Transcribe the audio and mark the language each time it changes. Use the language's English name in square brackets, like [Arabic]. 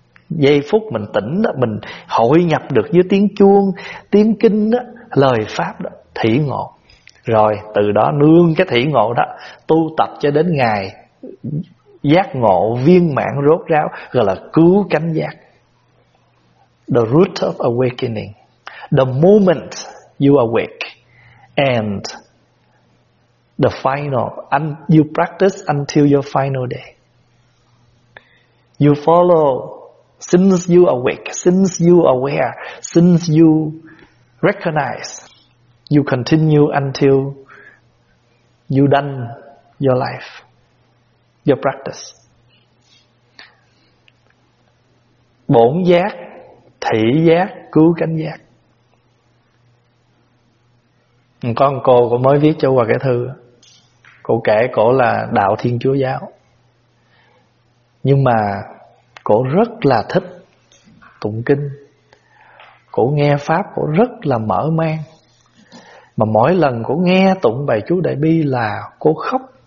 [Vietnamese] Giây phút mình tỉnh đó, mình hội nhập được với tiếng chuông, tiếng kinh đó, lời pháp đó, thị ngộ. Rồi từ đó nương cái thị ngộ đó tu tập cho đến ngày giác ngộ viên mãn rốt ráo, gọi là cứu cánh giác. [English] The root of awakening, the moment you awake, and the final, you practice until your final day. You follow since you awake, since you aware, since you recognize, you continue until you done your life, your practice. [Vietnamese] Bổn giác, thị giác, cứu cánh giác. Có một cô cũng mới viết cho qua cái thư, cô kể cổ là đạo Thiên Chúa giáo, nhưng mà cổ rất là thích tụng kinh, cổ nghe pháp cổ rất là mở mang, mà mỗi lần cổ nghe tụng bài chú Đại Bi là cổ khóc.